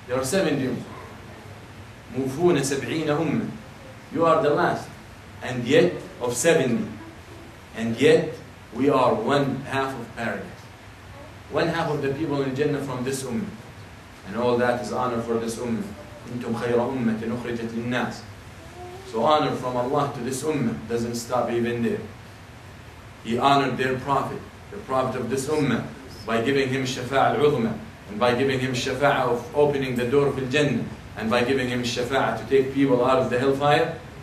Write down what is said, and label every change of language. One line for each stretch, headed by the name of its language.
English: There are 70 ummah. Mufuna 70 ummah. You are the last. And yet, of 70. And yet, we are one half of paradise. One half of the people in Jannah from this ummah. And all that is honor for this ummah.
Arabic: أنتم خير أمة أخرجت للناس.
English: So honor from Allah to this ummah doesn't stop even there. He honored their prophet, the prophet of this ummah, by giving him
Arabic: الشفاعة العظمى,
English: and by giving him الشفاعة of opening the door of Jannah, and by giving him الشفاعة to take people out of the hellfire.